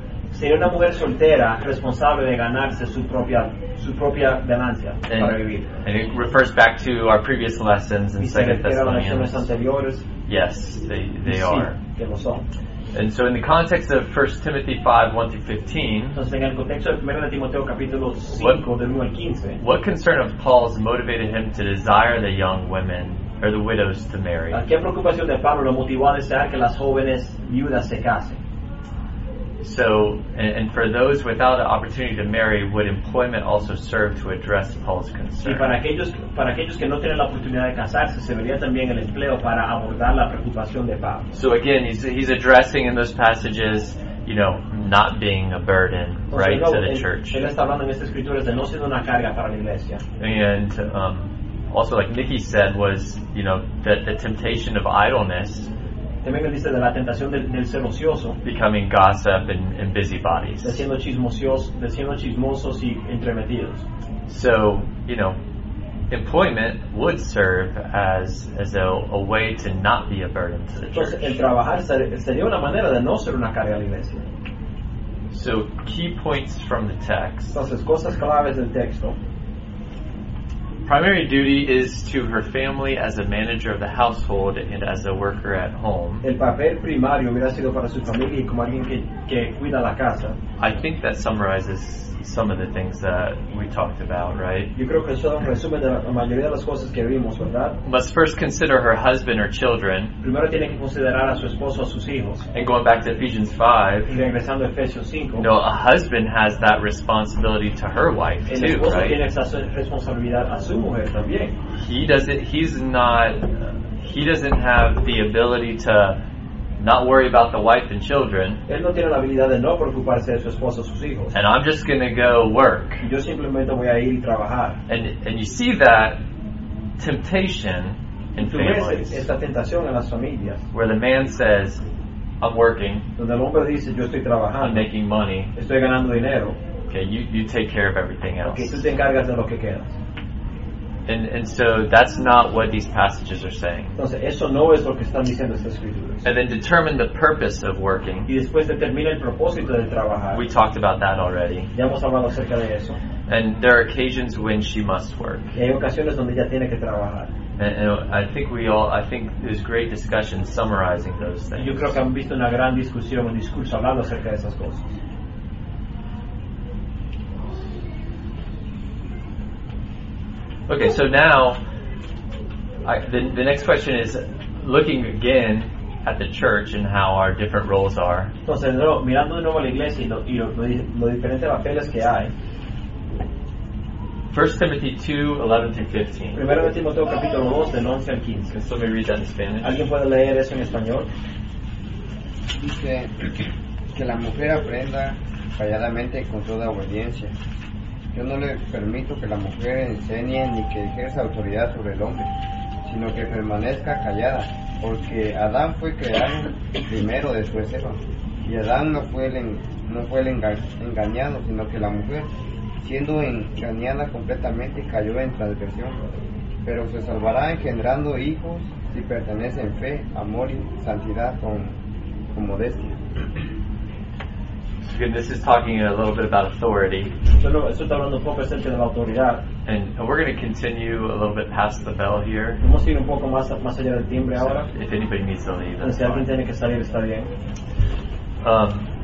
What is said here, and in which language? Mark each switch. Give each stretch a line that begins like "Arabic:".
Spanish: Sería una mujer soltera responsable de ganarse su propia ganancia para vivir.
English: And it refers back to our previous lessons in 2 Thessalonians. Yes, they are.
Spanish: Que lo son.
English: And so in the context of 1 Timothy 5:1-15,
Spanish: entonces en el contexto de 1 Timoteo capítulo 5, del 1 al 15,
English: what concern of Paul's motivated him to desire the young women or the widows to marry?
Spanish: ¿Qué preocupación de Pablo lo motivó a desear que las jóvenes viudas se casen?
English: So, and for those without an opportunity to marry, would employment also serve to address Paul's concern?
Spanish: Y para aquellos que no tienen la oportunidad de casarse, se vería también el empleo para abordar la preocupación de Pablo.
English: So again, he's addressing in those passages, you know, not being a burden,
Spanish: entonces,
English: right,
Spanish: luego,
English: to the church.
Spanish: Él está hablando en estas escrituras de no ser una carga para la iglesia.
English: And also, like Nikki said, was, you know, that the temptation of idleness.
Spanish: También él dice de la tentación del ser ocioso.
English: Becoming gossip and busybodies.
Spanish: De siendo chismosos y entremetidos.
English: So, you know, employment would serve as a way to not be a burden to the church.
Spanish: Entonces, el trabajar sería una manera de no ser una carga a la iglesia.
English: So, key points from the text.
Spanish: Entonces, cosas claves del texto.
English: Primary duty is to her family as a manager of the household and as a worker at home.
Spanish: El papel primario hubiera sido para su familia y como alguien que cuida la casa.
English: I think that summarizes some of the things that we talked about, right?
Spanish: Yo creo que eso resume de la mayoría de las cosas que vimos, ¿verdad?
English: Must first consider her husband or children.
Spanish: Primero tiene que considerar a su esposo o a sus hijos.
English: And going back to Ephesians 5.
Spanish: Y regresando a Efesios 5.
English: No, a husband has that responsibility to her wife too, right?
Spanish: El esposo tiene esa responsabilidad a su mujer también.
English: He doesn't have the ability to not worry about the wife and children.
Spanish: Él no tiene la habilidad de no preocuparse de su esposo o sus hijos.
English: And I'm just going to go work.
Spanish: Yo simplemente voy a ir y trabajar.
English: And you see that temptation in families.
Spanish: Esta tentación en las familias.
English: Where the man says, I'm working.
Spanish: Donde el hombre dice, yo estoy trabajando.
English: I'm making money.
Spanish: Estoy ganando dinero.
English: Okay, you take care of everything else.
Spanish: Okay, tú te encargas de lo que quedas.
English: And so that's not what these passages are saying.
Spanish: Entonces, eso no es lo que están diciendo estas escrituras.
English: And then determine the purpose of working.
Spanish: Y después determina el propósito de trabajar.
English: We talked about that already.
Spanish: Ya hemos hablado acerca de eso.
English: And there are occasions when she must work.
Spanish: Y hay ocasiones donde ella tiene que trabajar.
English: And I think there's great discussion summarizing those things.
Spanish: Yo creo que han visto una gran discusión, un discurso hablando acerca de esas cosas.
English: Okay, so now the next question is looking again at the church and how our different roles are.
Spanish: Entonces, mirando de nuevo a la iglesia y los diferentes papeles que hay.
English: 1 Timothy 2:11-15.
Spanish: Primero Timoteo capítulo 2 del 11 al 15.
English: Can somebody read that in Spanish?
Spanish: ¿Alguien puede leer eso en español? Dice que la mujer aprenda calladamente con toda obediencia. Yo no le permito que la mujer enseñe ni que ejerza autoridad sobre el hombre, sino que permanezca callada, porque Adán fue creado primero después de Eva, y Adán no fue engañado, sino que la mujer, siendo engañada completamente, cayó en transgresión, pero se salvará engendrando hijos si pertenece en fe, amor y santidad con modestia.
English: Again, this is talking a little bit about authority. And we're going to continue a little bit past the bell here. If anybody needs to leave, that's fine.